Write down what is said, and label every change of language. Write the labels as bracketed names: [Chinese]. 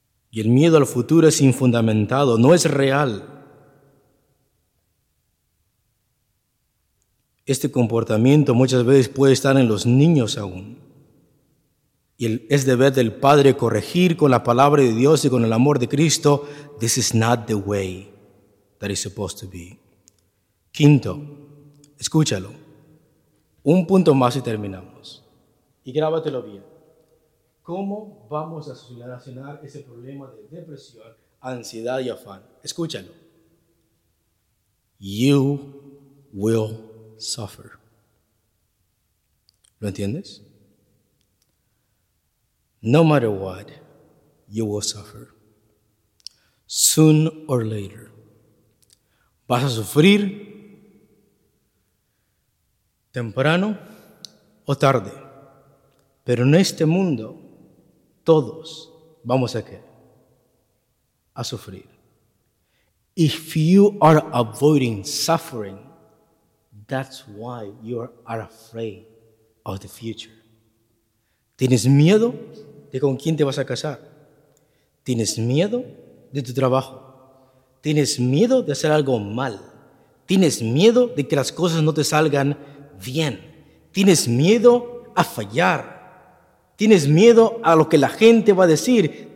[Spanish] Y el miedo al futuro es infundamentado, no es real. Este comportamiento muchas veces puede estar en los niños aún. Y es deber del padre corregir con la palabra de Dios y con el amor de Cristo. [English] This is not the way that it's supposed to be. [Spanish] Quinto, escúchalo. Un punto más y terminamos. Y grábatelo bien. ¿Cómo vamos a solucionar ese problema de depresión, ansiedad y afán? Escúchalo. [English] You will suffer. [Spanish] ¿Lo entiendes? [English] No matter what, you will suffer. Soon or later. [Spanish] Vas a sufrir. Temprano o tarde, pero en este mundo todos vamos a qué? A sufrir. [English] If you are avoiding suffering, that's why you are afraid of the future. [Spanish] Tienes miedo de con quién te vas a casar. Tienes miedo de tu trabajo. Tienes miedo de hacer algo mal. Tienes miedo de que las cosas no te salgan bien. Tienes miedo a fallar. Tienes miedo a lo que la gente va a decir.